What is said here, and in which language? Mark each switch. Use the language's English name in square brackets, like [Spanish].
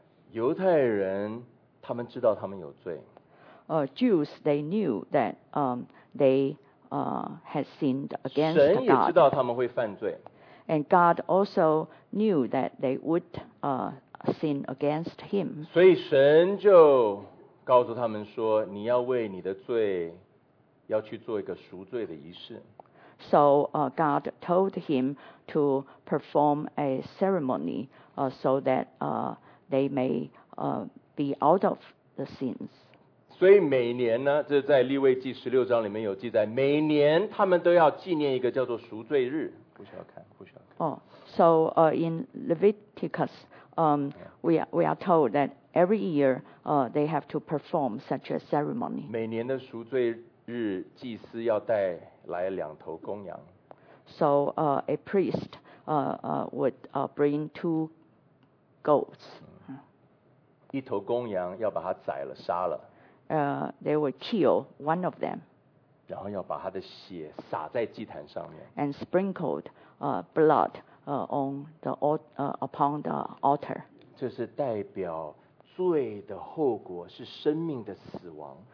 [Chinese] 犹太人他们知道他们有罪。 [English] Jews they knew that had sinned against [Chinese] God. 神也知道他们会犯罪。 [English] And God also knew that they would sin against him. [Chinese] 所以神就告诉他们说，你要为你的罪要去做一个赎罪的仪式。 [English] So God told him to perform a ceremony so that they may be out of the sins. [Chinese] 所以每年呢，这在利未记十六章里面有记载，每年他们都要纪念一个叫做赎罪日。不需要看。 [English] So in Leviticus, we are told that every year, they have to perform such a ceremony. [Chinese] 每年的赎罪日，祭司要带来两头公羊。 [English] So a priest, would bring two goats. [Chinese] 一头公羊要把它宰了，杀了。 [English] They would kill one of them. [Chinese] 然后要把它的血洒在祭坛上面。 [English] And sprinkled blood on the upon the altar. [Chinese] 这是代表罪的后果是生命的死亡。